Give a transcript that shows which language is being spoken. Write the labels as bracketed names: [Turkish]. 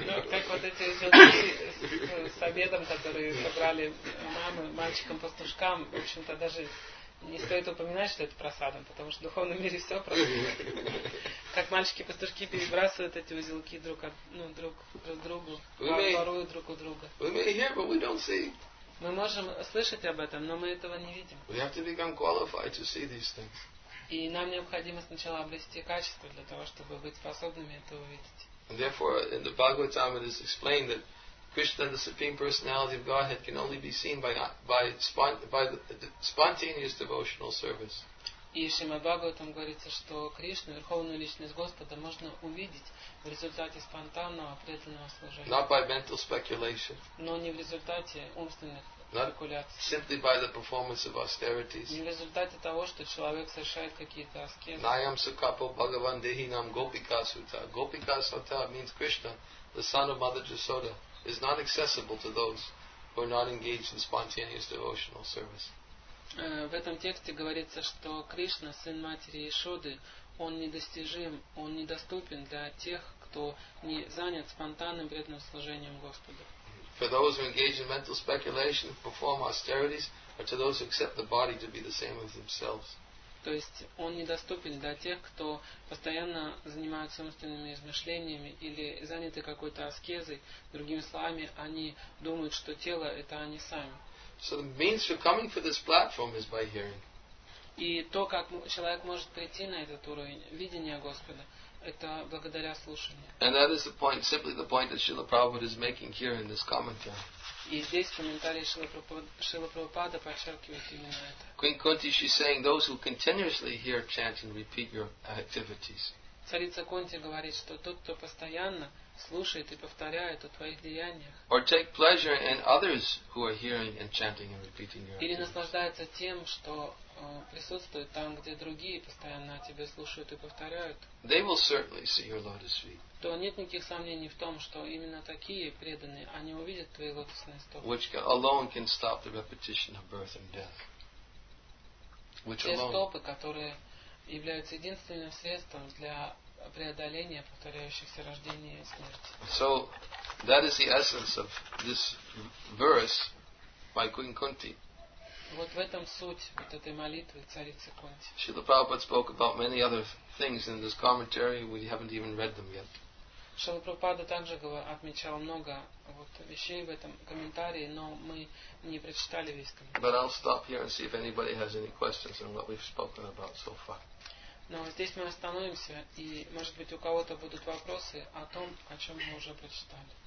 [Russian] Как вот эти узелки с обедом, которые собрали мамы мальчикам-пастушкам, в общем-то, даже не стоит упоминать, что это просадом, потому что в духовном мире все просто. Как мальчики-пастушки перебрасывают эти узелки друг другу, воруют друг у друга. [English] We may hear, but we don't see. [Russian] Мы можем слышать об этом, но мы этого не видим. [English] We have to become qualified to see these things. [Russian] И нам необходимо сначала обрести качество для того, чтобы быть способными это увидеть. [English] And therefore, in the Bhagavatam, it is explained that Krishna, the Supreme Personality of Godhead, can only be seen by the spontaneous devotional service. [Russian] И в Шримад Бхагаватам говорится, что Кришну, Верховную Личность Господа, можно увидеть в результате спонтанного преданного служения. [English] Not by mental speculation. [Russian] Но не в результате умственных спекуляций. [English] Simply by the performance of austerities. [Russian] Не в результате того, что человек совершает какие-то аскезы. [Sanskrit] Nayam sukapo bhagavan dehi nam gopika sutta. [English] Gopika sutta means Krishna, the son of Mother Jasoda, is not accessible to those who are not engaged in spontaneous devotional service. [Russian] В этом тексте говорится, что Кришна, сын матери Яшоды, он недостижим, он недоступен для тех, кто не занят спонтанным преданным служением Господу. [English] For those who engage in mental speculation, perform austerities, or to those who accept the body to be the same as themselves. [Russian] То есть он недоступен для тех, кто постоянно занимается умственными измышлениями или заняты какой-то аскезой. Другими словами, они думают, что тело – это они сами. [English] So the means for coming for this platform is by hearing. [Russian] И то, как человек может прийти на этот уровень видения Господа, это благодаря слушанию. [English] And that is the point, simply the point that Srila Prabhupada is making here in this commentary. [Russian] И здесь в комментарии Шрила Прабхупада подчеркивает именно это. [English] Queen Kunti, she's saying, those who continuously hear, chant, and repeat your activities. [Russian] Царица Кунти говорит, что тот, кто постоянно слушает и повторяет о твоих деяниях, [English] or take pleasure in others who are hearing and chanting and repeating your activities. [Russian] Или наслаждается тем, что присутствует там, где другие постоянно о тебе слушают и повторяют, [English] they will certainly see your lotus feet. [Russian] То нет никаких сомнений в том, что именно такие преданные, они увидят твои лотосные стопы. [English] Which alone can stop the repetition of birth and death. Which alone. [Russian] Те стопы, которые являются единственным средством для преодоления повторяющихся рождений и смерти. [English] So, that is the essence of this verse by Queen Kunti. [Russian] Вот в этом суть вот этой молитвы царицы Кунти. [English] Шрила Прабхупада spoke about many other things in this commentary. We haven't even read them yet. [Russian] Шрила Прабхупада также отмечал много вот вещей в этом комментарии, но мы не прочитали весь комментарий. [English] But I'll stop here and see if anybody has any questions on what we've spoken about so far. [Russian] Но здесь мы остановимся, и, может быть, у кого-то будут вопросы о том, о чем мы уже прочитали.